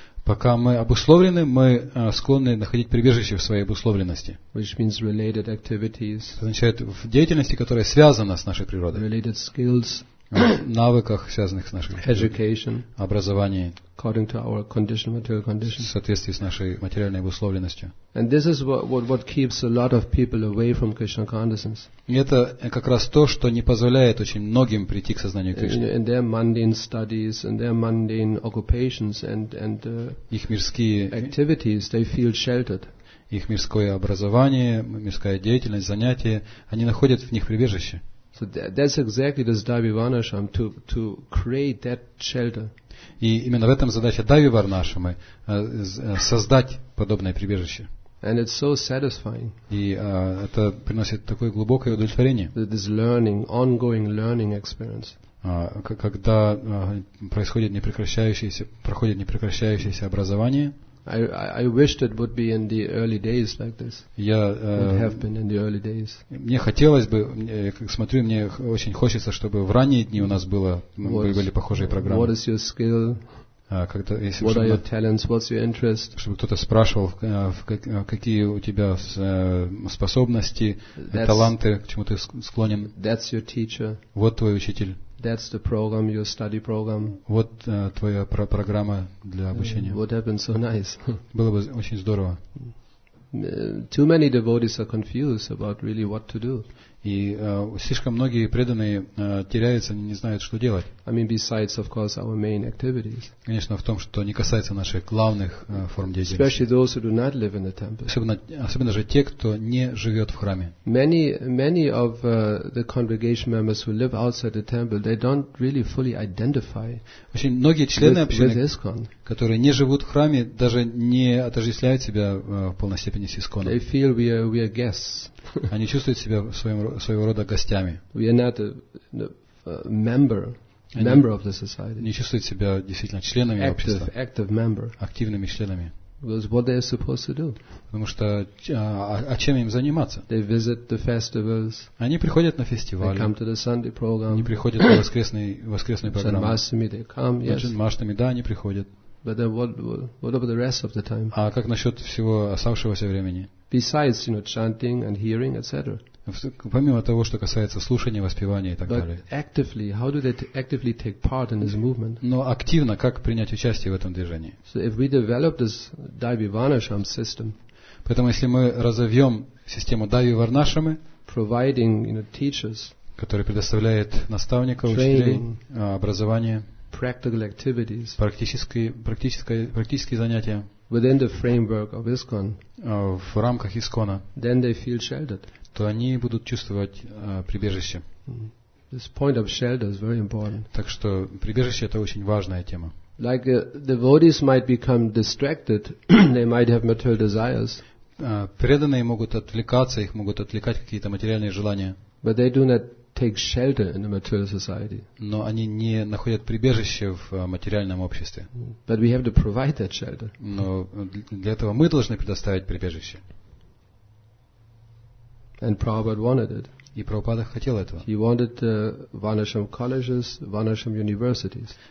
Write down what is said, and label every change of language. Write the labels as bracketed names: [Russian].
[Russian] Пока мы обусловлены, мы склонны находить прибежище в своей обусловленности. [English] Which means related activities. [Russian] Это означает в деятельности, которая связана с нашей природой. [English] Related skills. [Russian] Навыках, связанных с нашей природой. [English] Education. [Russian] Образование. [English] According to our condition, material condition. [Russian] В соответствии с нашей материальной обусловленностью. [English] And this is what keeps a lot of people away from Krishna consciousness. [Russian] И это как раз то, что не позволяет очень многим прийти к сознанию Кришны. [English] In their mundane studies, in their mundane occupations and [Russian] их мирские [English] activities, they feel sheltered. [Russian] Их мирское образование, мирская деятельность, занятия, они находят в них прибежище. [English] So that's exactly the Dhavi Varnashram, to create that shelter. [Russian] И именно в этом задача Дави Варнашрамы, создать подобное прибежище. [English] And it's so satisfying. [Russian] И это приносит такое глубокое удовлетворение. [English] This learning, ongoing learning experience. [Russian] Когда происходит непрекращающееся, проходит непрекращающееся образование. [English] I wished it would be in the early days like this. [Russian] Я [English] have been in the early days. [Russian] Мне хотелось бы, как смотрю, мне очень хочется, чтобы в ранние дни у нас было были похожие программы. [English] What is your skill? What are your talents? What's your interest? [Russian] Чтобы кто-то спрашивал, какие у тебя способности, таланты, к чему ты склонен. [English] That's your teacher. [Russian] Вот твой учитель. [English] That's the program, your study program. [Russian] Вот твоя программа для обучения. [English] Would have been so nice. [Russian] Было бы очень здорово. [English] Too many devotees are confused about really what to do. [Russian] И слишком многие преданные теряются, не знают, что делать. [English] I mean, besides, of course, our main activities. [Russian] Конечно, в том, что не касается наших главных форм деятельности. [English] Especially those who do not live in the temple. [Russian] Особенно же те, кто не живет в храме. [English] Many of the congregation members who live outside the temple, they don't really fully identify. [Russian] Очень многие члены общины, которые не живут в храме, даже не отождествляют себя в полной степени с ИСКОНом. [English] They feel we are guests. [Russian] Они чувствуют себя своего рода гостями. [English] We are not a member of the society. [Russian] Они чувствуют себя действительно членами общества. [English] Active member. [Russian] Активными членами. [English] Because what they are supposed to do? [Russian] Потому что а чем им заниматься? [English] They visit the festivals. [Russian] Они приходят на фестивали. [English] They come to the Sunday program. [Russian] Они приходят на воскресную программу. [English] Санмасами, they come. Yes. [Russian] Санмасами, да, они приходят. [English] But then what about the rest of the time? [Russian] А как насчет всего оставшегося времени? [English] Besides, you know, chanting and hearing, etc. [Russian] Помимо того, что касается слушания, воспевания и так далее. [English] But actively, how do they actively take part in this movement? [Russian] Но активно, как принять участие в этом движении? [English] So if we develop this Dhavi Varnashram system, [Russian] поэтому если мы разовьем систему Дави Варнашрамы, [English] providing, you know, teachers, [Russian] который предоставляет наставников, учителей, образование, [English] practical activities, [Russian] практические занятия. [English] Within the framework of ISKCON, [Russian] в рамках ИСКОНа, [English] then they feel sheltered. [Russian] То они будут чувствовать прибежище. [English] This point of shelter is very important. [Russian] Так что прибежище — это очень важная тема. [English] Like devotees might become distracted, they might have material desires. [Russian] Преданные могут отвлекаться, их могут отвлекать какие-то материальные желания. [English] But they do not take shelter in the material society. [Russian] Но они не находят прибежище в материальном обществе. [English] But we have to provide that shelter. [Russian] Но для этого мы должны предоставить прибежище. [English] And Prabhupada wanted it. [Russian] И Прабхупада хотел этого. [English] He wanted Varnashram colleges, Varnashram universities.